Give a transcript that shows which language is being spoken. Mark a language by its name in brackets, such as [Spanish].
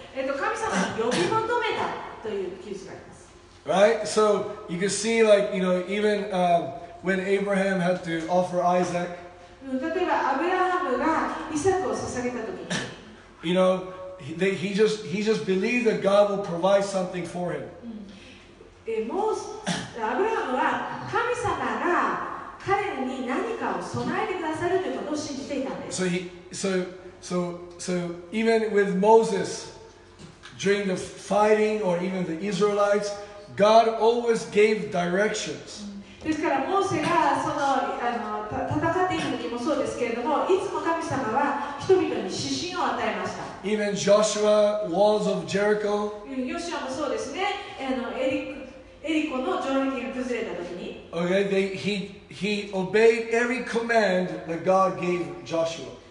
[Japanese] 神様に呼び求めたという記述があります。 [English] So you can see, like, you know, even when Abraham had to offer Isaac, [Japanese] 例えばアブラハムがイサクを捧げた時、 [English] you know, he just believed that God will provide something for him. [Japanese] アブラハムは神様が [English] So even with Moses, during the fighting or even the Israelites, God always gave directions. [Japanese] ですからモーセがその戦っていく時もそうですけれども、いつも神様は人々に指針を与えました。 [English] Okay, he obeyed every command that God gave Joshua.